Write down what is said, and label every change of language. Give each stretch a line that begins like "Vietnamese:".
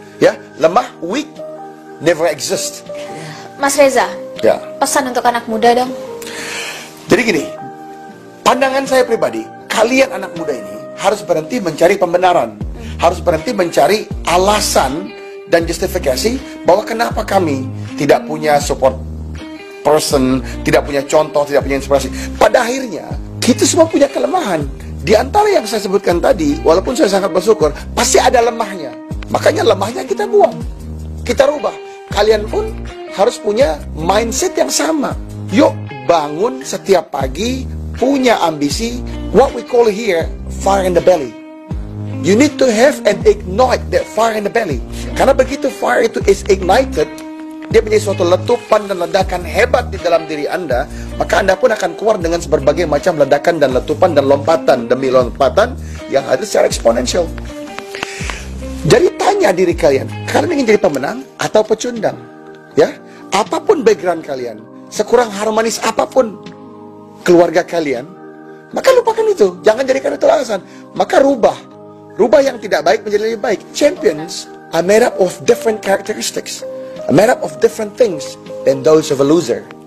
English: Ya, lemah, weak, never exist.
Indonesian: Mas Reza, ya. Pesan untuk anak muda dong. Jadi gini, pandangan saya pribadi, kalian anak muda ini harus berhenti mencari pembenaran. Harus berhenti mencari alasan dan justifikasi bahwa kenapa kami tidak punya support person, tidak punya contoh, tidak punya inspirasi. Pada akhirnya, kita semua punya kelemahan. Di antara yang saya sebutkan tadi, walaupun saya sangat bersyukur, pasti ada lemahnya. Makanya lemahnya kita buang. Kita rubah. Kalian pun harus punya mindset yang sama. Yuk, bangun setiap pagi, punya ambisi,
English: what we call here, fire in the belly. You need to have and ignite that fire in the belly.
Indonesian: Karena begitu fire itu is ignited, dia menjadi suatu letupan dan ledakan hebat di dalam diri Anda, maka Anda pun akan keluar dengan berbagai macam ledakan dan letupan dan lompatan demi lompatan yang ada secara eksponensial. Jadi tanya diri kalian ingin jadi pemenang atau pecundang, ya? Apapun background kalian, sekurang harmonis apapun keluarga kalian, maka lupakan itu. Jangan jadikan itu alasan. Maka rubah. Rubah yang tidak baik menjadi lebih baik.
English: Champions are made up of different characteristics, are made up of different things than those of a loser.